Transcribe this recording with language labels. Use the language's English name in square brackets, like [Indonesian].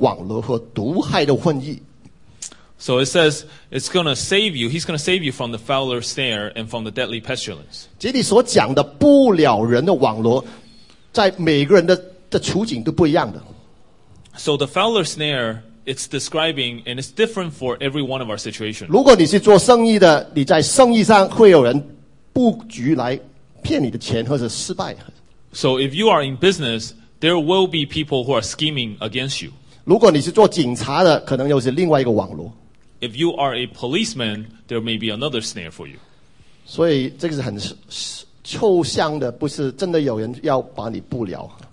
[Chinese] 他必救你脱离不了人的网络和毒害的瘟疫。 [English] So it says it's going to save you. He's going to save you from the fowler's snare and from the deadly pestilence. [Chinese] 这里所讲的不了人的网络，在每个人的处境都不一样的。 [English] So the fowler's snare, it's describing and it's different for every one of our situations. [Chinese] 如果你是做生意的，你在生意上会有人布局来骗你的钱或者失败。 [English] So if you are in business, there will be people who are scheming against you. [Chinese] 如果你是做警察的, 可能又是另外一个网络。 [English] If you are a policeman, there may be another snare for you. [Chinese] 所以这个是很抽象的, 不是真的有人要把你布了。